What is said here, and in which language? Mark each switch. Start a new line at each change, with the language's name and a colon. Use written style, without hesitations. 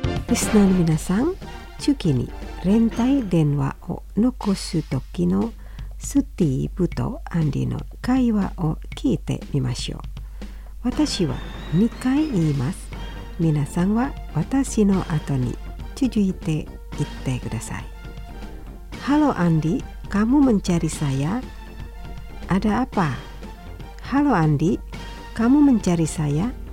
Japanese: Listener 皆さん、次に連帯電話を残す時のスティーブとアンディの会話を聞いてみましょう。私は2回言います。皆さんは私の後に続いて言ってください。
Indonesian: Halo Andy, kamu mencari saya? Ada apa? Halo Andy, kamu mencari saya?